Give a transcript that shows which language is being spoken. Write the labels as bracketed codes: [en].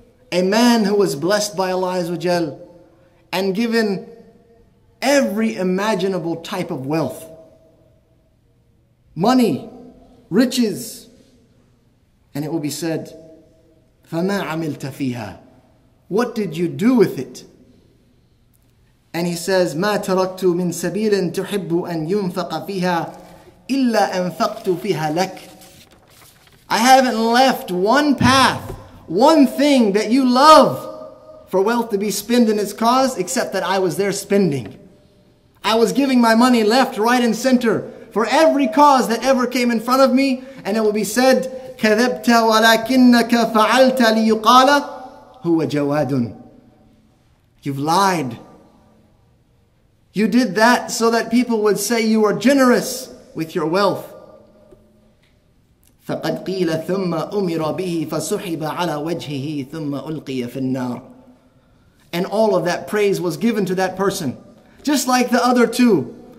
[en] A man who was blessed by Allah Azza wa Jal and given every imaginable type of wealth, money, riches. And it will be said, [ar] فَمَا عَمِلْتَ فِيهَا. [en] What did you do with it? And he says, [ar] مَا تَرَكْتُ مِنْ سَبِيلٍ تُحِبُّ أَنْ يُنْفَقَ فِيهَا إِلَّا أَنْفَقْتُ فِيهَا لَكَ. [en] I haven't left one path, one thing that you love for wealth to be spent in its cause, except that I was there spending. I was giving my money left, right and center for every cause that ever came in front of me. And it will be said, [ar] كَذَبْتَ وَلَكِنَّكَ فَعَلْتَ لِيُقَالَ هُوَ جَوَادٌ. [en] You've lied. You did that so that people would say you are generous with your wealth. [ar] فَقَدْ قِيلَ ثُمَّ أُمِرَ بِهِ فَسُحِبَ عَلَى وَجْهِهِ ثُمَّ أُلْقِيَ فِي النَّارِ. [en] And all of that praise was given to that person, just like the other two.